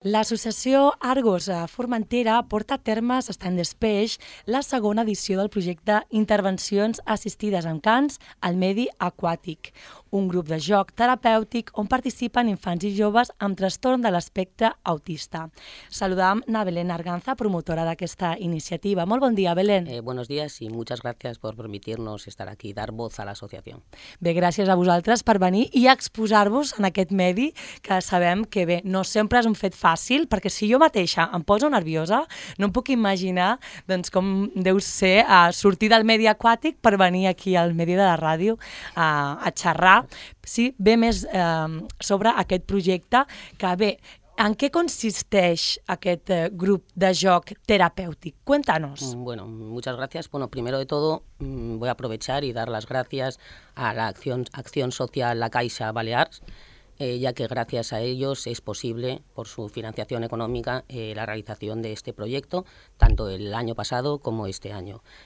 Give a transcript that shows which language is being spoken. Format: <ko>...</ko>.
<ca>L'associació Argos a Formentera porta a terme, s'està en despeix, la segona edició del projecte Intervencions assistides amb cans al medi aquàtic, un grup de joc terapèutic on participen infants i joves amb trastorn de l'espectre autista. Saludam a Belén Arganza, promotora d'aquesta iniciativa. Molt bon dia, Belén.</ca> <es>Buenos días y muchas gracias por permitirnos estar aquí y dar voz a la asociación.</es> <ca>Bé, gràcies a vosaltres per venir i exposar-vos en aquest medi, que sabem que bé, no sempre és un fet fàcil, perquè si jo mateixa em poso nerviosa, no em puc imaginar doncs, com deu ser sortir del medi aquàtic per venir aquí al medi de la ràdio a xerrar. Sí, bé més sobre aquest projecte, que bé, en què consisteix aquest grup de joc terapèutic?</ca> <es>Cuéntanos. Bueno, muchas gracias. Bueno, primero de todo, voy a aprovechar y dar las gracias a la Acción Social La Caixa Balears, ya que gracias a ellos es posible, por su financiación económica, la realización de este proyecto, tanto el año pasado como este año.</es>